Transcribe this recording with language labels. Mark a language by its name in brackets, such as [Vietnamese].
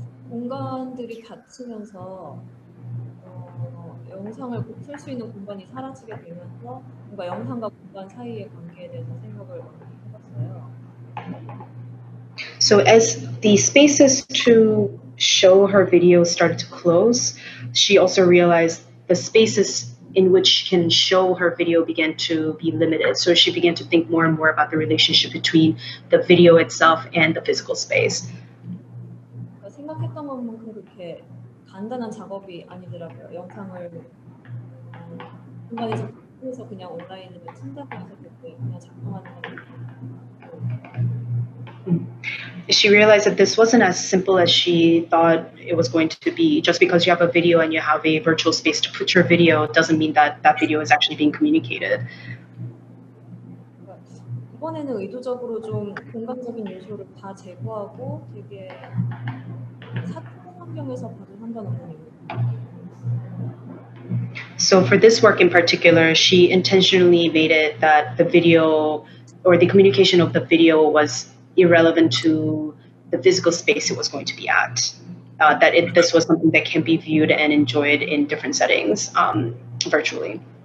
[Korean] 공간들이 닫히면서 영상을 볼 수 있는 공간이 사라지게 되면서 뭔가 영상과 공간 사이의 관계에 대해서 생각을 많이 해봤어요. [English] So as the spaces to show her video started to close, she also realized the spaces in which she can show her video began to be limited. So she began to think more and more about the relationship between the video itself and the physical space. [Korean] 생각했던 것만 그렇게 간단한 작업이 아니더라고요. 영상을 공간에서 그래서 그냥 온라인으로 친다면서 그냥 작동하는 거. [English] She realized that this wasn't as simple as she thought it was going to be. Just because you have a video and you have a virtual space to put your video doesn't mean that that video is actually being communicated. [Korean] 이번에는 의도적으로 좀 공간적인 요소를 다 제거하고 되게 사적인 환경에서 바로 상관없는 거예요. [English] So for this work in particular, she intentionally made it that the video or the communication of the video was irrelevant to the physical space it was going to be at. This was something that can be viewed and enjoyed in different settings virtually.